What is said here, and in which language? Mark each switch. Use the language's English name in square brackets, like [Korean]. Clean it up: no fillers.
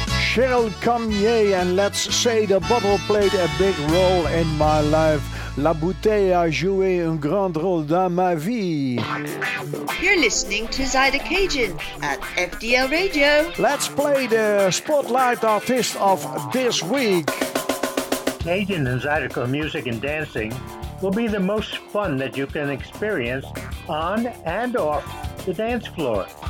[English] Cheryl Camier, and let's say the bottle played a big role in my life. [French] La bouteille a joué un grand rôle dans ma vie. [English] You're listening to Zyder Cajun at FDL Radio. Let's play the spotlight artist of this week. Cajun and Zydeco music and dancing will be the most fun that you can experience on and off the dance floor.